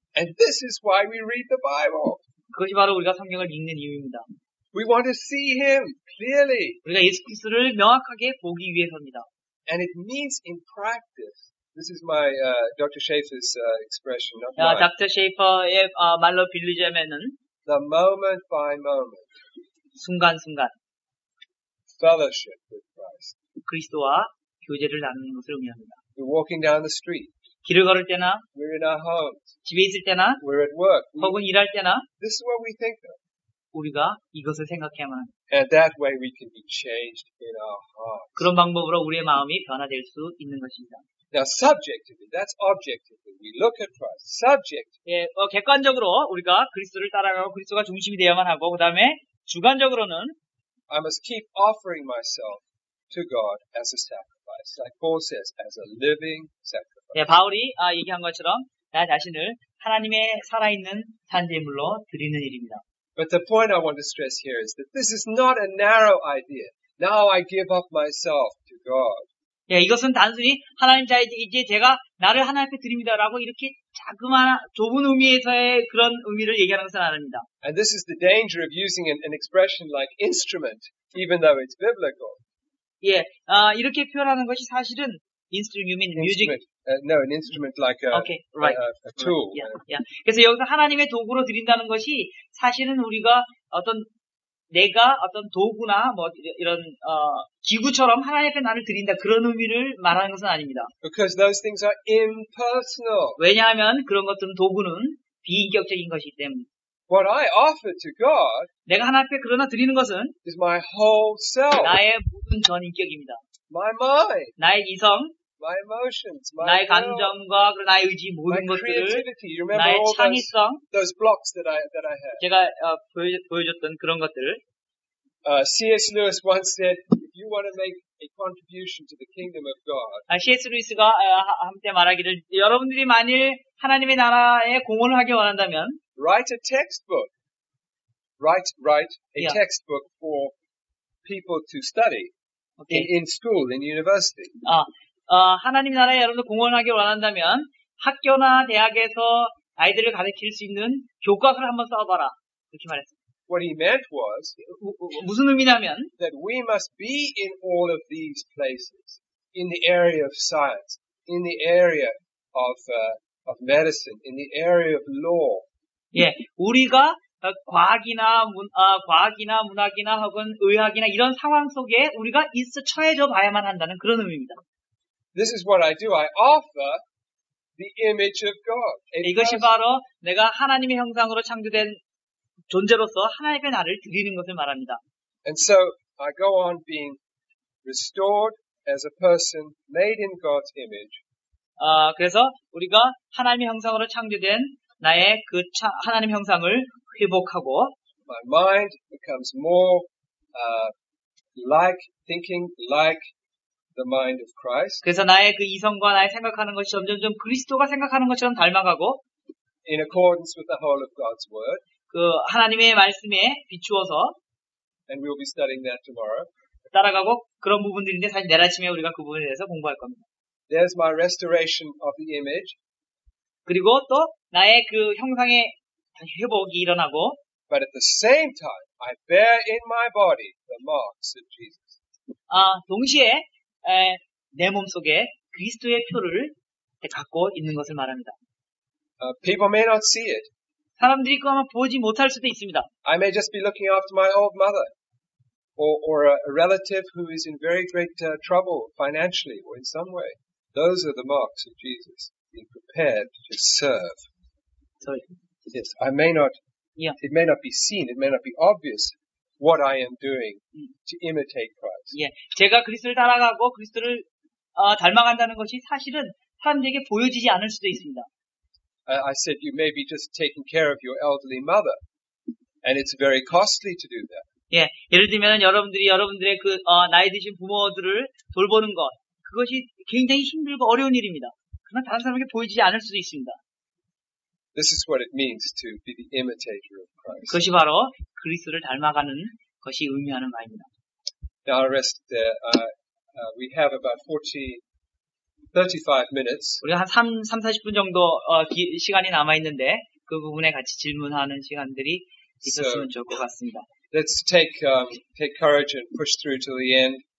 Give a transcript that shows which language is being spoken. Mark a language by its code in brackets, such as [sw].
[en] And this is why we read the Bible. [ko] 그것이 바로 우리가 성경을 읽는 이유입니다. [en] We want to see him clearly. [ko] 우리가 예수 그리스도를 명확하게 보기 위해서입니다. [en] And it means in practice. This is my Dr. Schaefer's expression. Not [ko] mine. Dr. Schaefer의 말로 빌리자면은 [en] the moment by moment. [ko] 순간순간. [en] Fellowship with Christ. [ko] 그리스도와 교제를 나누는 것을 의미합니다. [en] We're walking down the street. [ko] 길을 걸을 때나 [en] we're in our homes. [ko] 집에 있을 때나 [en] we're at work. [ko] 혹은 we, 일할 때나 [en] this is what we think of. [ko] 우리가 이것을 생각해야만 [en] and that way we can be changed in our hearts. [ko] 그런 방법으로 우리의 마음이 변화될 수 있는 것입니다. [en] Now subjectively, that's objectively. We look at Christ. Subject. [ko] 예, 객관적으로 우리가 그리스도를 따라가고 그리스도가 중심이 되어야만 하고 그 다음에 주관적으로는 [en] I must keep offering myself to God as a sacrifice. Like Paul says, as a living sacrifice. [ko] 예, 바울이 얘기한 것처럼 나 자신을 하나님의 살아있는 산제물로 드리는 일입니다. [en] But the point I want to stress here is that this is not a narrow idea. Now I give up myself to God. [ko] 예, 이것은 단순히 하나님 자 이제 제가 나를 하나님께 드립니다라고 이렇게 자그마한 좁은 의미에서의 그런 의미를 얘기하는 것은 아닙니다. [en] And this is the danger of using an expression like instrument, even though it's biblical. [ko] 예, 이렇게 표현하는 것이 사실은 [en] instrument, you mean music? No, an instrument like a, okay, right. a tool. Right. Yeah, yeah. [ko] 그래서 여기서 하나님의 도구로 드린다는 것이 사실은 우리가 어떤 내가 어떤 도구나 뭐 이런 기구처럼 하나님께 나를 드린다 그런 의미를 말하는 것은 아닙니다. [en] Because those things are impersonal. [ko] 왜냐하면 그런 것들은 도구는 비인격적인 것이기 때문입니다. [en] What I offer to God [ko] 내가 하나님께 그러나 드리는 것은 [en] is my whole self. [ko] 나의 모든 전인격입니다. [en] My mind. [ko] 나의 이성. [en] My emotions, my [ko] 나의 감정과 그리고 나의 의지 모든 [en] my [ko] 것들을 [en] creativity. [ko] 나의 창의성 [en] those blocks that I have. [ko] 제가 보여줬던 그런 것들 [en] C.S. Lewis once said if you want to make a contribution to the kingdom of God C.S. [ko] Lewis가 함께 말하기를 여러분들이 만일 하나님의 나라에 공헌을 하기 원한다면 [en] write a textbook write a yeah. textbook for people to study okay. in school in university [ko] 아 하나님 나라에 여러분들 공헌하기 원한다면 학교나 대학에서 아이들을 가르칠 수 있는 교과서를 한번 써봐라. 이렇게 말했습니다. [en] What he meant was [ko] 무슨 의미냐면 [en] that we must be in all of these places in the area of science, in the area of medicine, in the area of law. [ko] 예, 우리가 과학이나 과학이나 문학이나 혹은 의학이나 이런 상황 속에 우리가 있어 처해져 봐야만 한다는 그런 의미입니다. [en] This is what I do. I offer the image of God. [ko] 이것이 바로 내가 하나님의 형상으로 창조된 존재로서 하나님께 나를 드리는 것을 말합니다. [en] And so I go on being restored as a person made in God's image. [ko] 그래서 우리가 하나님의 형상으로 창조된 나의 그 하나님 형상을 회복하고 [en] my mind becomes more like thinking like The mind of Christ. [ko] 그래서 나의 그 이성과 나의 생각하는 것이 점점점 그리스도가 생각하는 것처럼 닮아가고 [en] In accordance with the whole of God's word. [ko] 그 하나님의 말씀에 비추어서 [en] And we'll be studying that tomorrow. [ko] 따라가고 그런 부분들인데 사실 내일 아침에 우리가 그 부분에 대해서 공부할 겁니다. [en] There's my restoration of the image. [ko] 그리고 또 나의 그 형상의 회복이 일어나고 [en] But at the same time, I bear in my body the marks of Jesus. [ko] 동시에 내 몸 속에 그리스도의 표를 갖고 있는 것을 말합니다. [en] People may not see it. [ko] 사람들이 그 아마 보지 못할 수도 있습니다. [en] I may just be looking after my old mother, or a relative who is in very great trouble financially or in some way. Those are the marks of Jesus being prepared to serve. Sorry. Yes, I may not. Yeah. It may not be seen. It may not be obvious. What I am doing to imitate Christ. [ko] 예, 제가 그리스도를 따라가고 그리스도를 닮아간다는 것이 사실은 사람들에게 보여지지 않을 수도 있습니다. [en] I said you may be just taking care of your elderly mother, and it's very costly to do that. [ko] 예, 예를 들면 여러분들의 그 나이 드신 부모들을 돌보는 것 그것이 굉장히 힘들고 어려운 일입니다. 그러나 다른 사람에게 보여지지 않을 수도 있습니다. [en] This is what it means to be the imitator of Christ. [ko] 그것이 바로 그리스도를 닮아가는 것이 의미하는 바입니다. [en] Now I'll rest there. We have about 40, 35 minutes. [ko] 우리가 한 30-40분 정도 시간이 남아 있는데 그 부분에 같이 질문하는 시간들이 있었으면 좋을 것 같습니다. [en] Let's take courage and push through to the end.